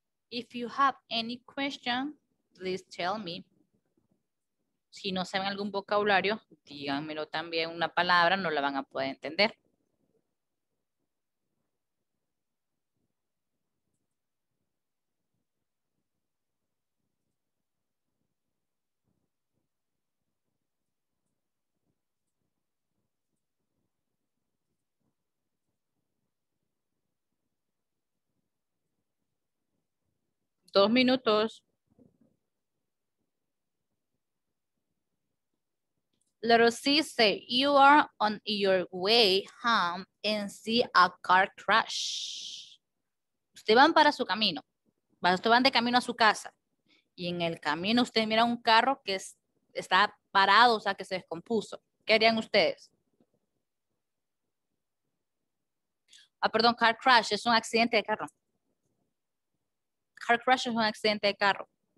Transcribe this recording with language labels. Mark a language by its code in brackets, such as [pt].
[en] If you have any question, please tell me. [es] Si no saben algún vocabulario, díganmelo también, una palabra, no la van a poder entender. Dos minutos. [en] Little C say, you are on your way home and see a car crash. [es] Usted van para su camino. Usted van de camino a su casa. Y en el camino usted mira un carro que está parado, o sea, que se descompuso. ¿Qué harían ustedes? Ah, perdón, car crash es un accidente de carro. Car crash es un accidente de carro.